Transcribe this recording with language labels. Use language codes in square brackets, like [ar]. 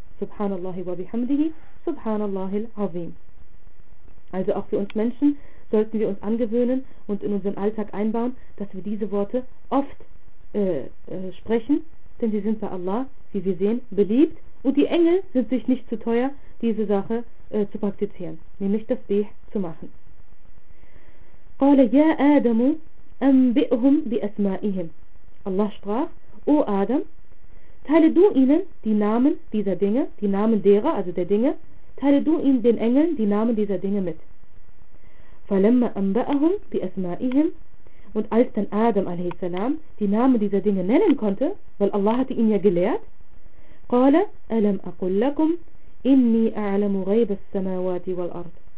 [ar] Subhanallahi wa bihamdihi, subhanallahi al-azim. [de] Also auch für uns Menschen sollten wir uns angewöhnen und in unseren Alltag einbauen, dass wir diese Worte oft sprechen, denn sie sind bei Allah, wie wir sehen, beliebt und die Engel sind sich nicht zu teuer, diese Sache zu praktizieren, nämlich das Dih zu machen. [ar] قال يا آدم أنبئهم بأسمائهم. [de] Allah sprach, O Adam, teile du ihnen die Namen dieser Dinge, die Namen derer, also der Dinge, teile du ihnen, den Engeln, die Namen dieser Dinge mit. [ar] فَلَمَّا أَنْبَأَهُمْ بِأَسْمَائِهِمْ. [de] Und als dann Adam a.s. die Namen dieser Dinge nennen konnte, weil Allah hatte ihn ja gelehrt, [ar] قَالَ أَلَمْ أَقُلْ لَكُمْ إِنِّي أَعْلَمُ غَيْبَ السَّمَاوَاتِ وَالْأَرْضِ.